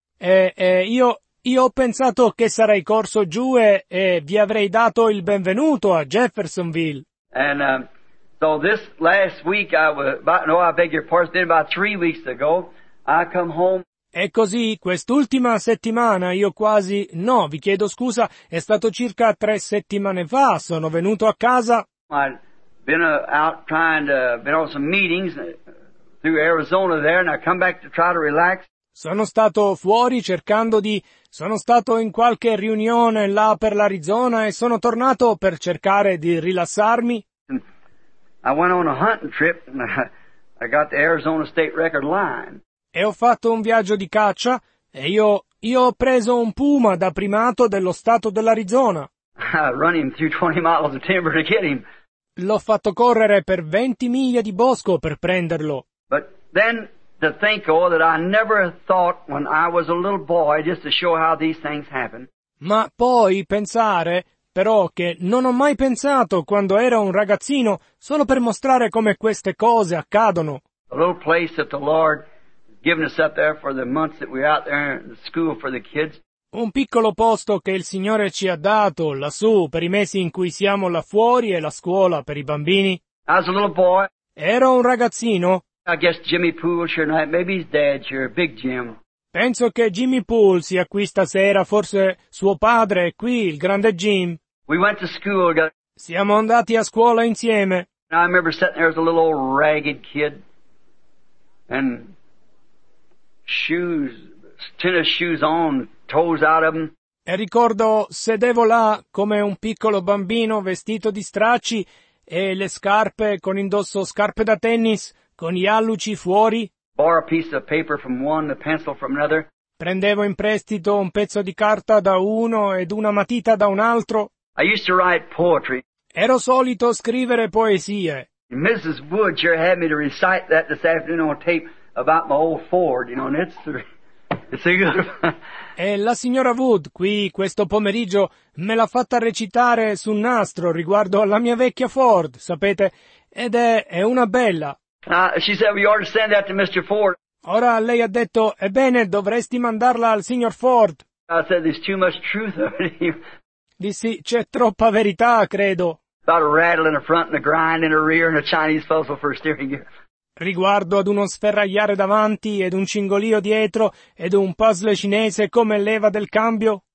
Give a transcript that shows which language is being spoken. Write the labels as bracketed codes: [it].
[it] Io ho pensato che sarei corso giù e vi avrei dato il benvenuto a Jeffersonville. [en] And so this last week I was about, no, I beg your pardon, then about 3 weeks ago I come home. [it] E così quest'ultima settimana io quasi, no, vi chiedo scusa, è stato circa 3 settimane fa, sono venuto a casa. [en] I've been out trying to, been on some meetings through Arizona there and I come back to try to relax. [it] Sono stato fuori cercando di, sono stato in qualche riunione là per l'Arizona e sono tornato per cercare di rilassarmi. [en] I went on a hunting trip and I got the Arizona state record line. [it] E ho fatto un viaggio di caccia e io ho preso un puma da primato dello stato dell'Arizona. [en] Run him through 20 miles of timber to get him. [it] L'ho fatto correre per 20 miglia di bosco per prenderlo. [en] But then to think, oh, that I never thought when I was a little boy, just to show how these things happen. [it] Ma poi pensare, però, che non ho mai pensato quando ero un ragazzino, solo per mostrare come queste cose accadono. [en] A little place that the Lord given us up there for the months that we're out there in school for the kids. [it] Un piccolo posto che il Signore ci ha dato lassù per i mesi in cui siamo là fuori e la scuola per i bambini. [en] As a little boy. [it] Ero un ragazzino. [en] I guess Jimmy Poole's here tonight. Maybe his dad's here. Big Jim. [it] Penso che Jimmy Poole sia qui stasera. Forse suo padre è qui, il grande Jim. [en] We went to school. [it] Siamo andati a scuola insieme. [en] I remember sitting there as a little old ragged kid. And shoes, tennis shoes on, toes out of them. [it] E ricordo, sedevo là come un piccolo bambino vestito di stracci e le scarpe con indosso scarpe da tennis con gli alluci fuori. [en] Borrow a piece of paper from one, a pencil from another. [it] Prendevo in prestito un pezzo di carta da uno ed una matita da un altro. [en] I used to write poetry. [it] Ero solito scrivere poesie. [en] Mrs. Woods, you had me to recite that this afternoon on tape. About my old Ford, you know, and it's a good one. [it] E la signora Wood qui questo pomeriggio me l'ha fatta recitare su un nastro riguardo alla mia vecchia Ford, sapete, ed è una bella. [en] She said we ought to send that to Mr. Ford. [it] Ora lei ha detto, ebbene, dovresti mandarla al signor Ford. [en] I said there's too much truth over here. [it] Dissi, c'è troppa verità, credo. [en] About a rattle in a front and a grind in a rear and a Chinese puzzle for a steering gear. [it] riguardo ad uno sferragliare davanti ed un cingolio dietro ed un puzzle cinese come leva del cambio?